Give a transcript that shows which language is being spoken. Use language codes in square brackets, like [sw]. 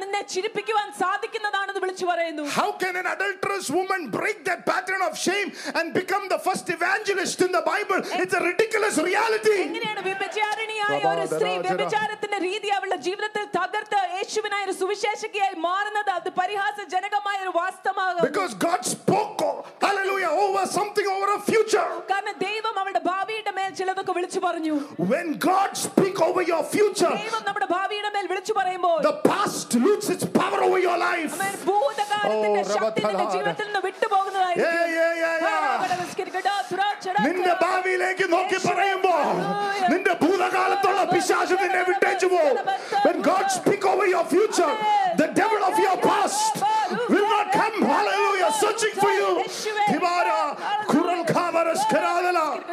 [ml] ചിരിപ്പിക്കുവാൻ സാധിക്കുന്നതാണെന്ന് വിളിച്ചു പറയുന്നു. [en] How can an adulterous woman break that pattern of shame and become the first evangelist in the Bible? It's a ridiculous reality. [ml] എങ്ങനെയാണ് വ്യഭിചാരിണിയായ ഒരു സ്ത്രീ വ്യഭിചാരത്തിന്റെ രീതി അവളുടെ ജീവിതത്തിൽ തകർത്ത് യേശുവിനായ ഒരു സുവിശേഷകയായി മാറുന്നത്? അത് പരിഹാസജനകമായ ഒരു വാസ്തവമാകും. [en] Because God spoke, hallelujah, over something, over a future. [ml] കാരണം ദൈവം അവളുടെ ഭാവിയുടെ മേൽ ചിലതൊക്കെ വിളിച്ചു പറഞ്ഞു. [en] When God speak over your future, [ml] ദൈവം നമ്മുടെ ഭാവിയുടെ മേൽ വിളിച്ചു പറയുമ്പോൾ, [en] the past loses its power over your life. [ml] അമേൻ. ഭൂതകാലത്തിന്റെ ശക്തി നിന്റെ ജീവിതത്തിൽ നിന്ന് വിട്ടുപോകുന്നതായിരിക്കും. നിന്റെ ഭാവിയിലേക്ക് നോക്കി പറയുമ്പോൾ നിന്റെ ഭൂതകാലത്തുള്ള പിശാച് നിന്നെ വിട്ടേച്ചു പോകും. [en] When God speak over your future, the devil of your past will not come, hallelujah, searching for you. Tibara kural khavaras karadala.